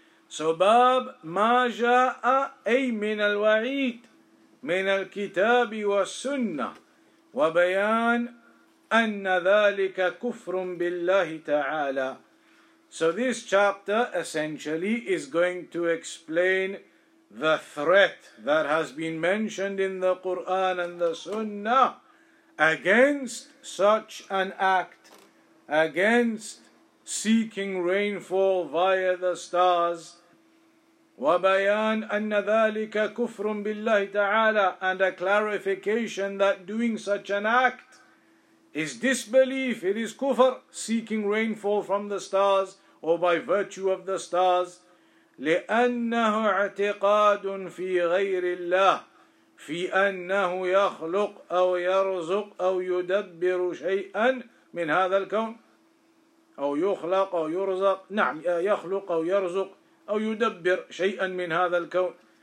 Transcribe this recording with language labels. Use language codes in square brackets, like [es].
[ar] So باب ما جاء أي من الوعيد من الكتاب والسنة وبيان أن ذلك كفر بالله تعالى. [en] So this chapter essentially is going to explain the threat that has been mentioned in the Quran and the Sunnah against such an act, against seeking rainfall via the stars. [ar] وَبَيَانَ أَنَّ ذَٰلِكَ كُفْرٌ بِاللَّهِ تَعَالَى. [en] And a clarification that doing such an act is disbelief, it is kufr, seeking rainfall from the stars or by virtue of the stars. [ar] لِأَنَّهُ اعْتِقَادٌ فِي غَيْرِ اللَّهِ فِي أَنَّهُ يَخْلُقْ أَوْ يَرْزُقْ أَوْ يُدَبِّرُ شَيْئًا من هذا الكون أو يخلق أو يرزق نعم يخلق أو يرزق أو يدبر شيئا من هذا الكون.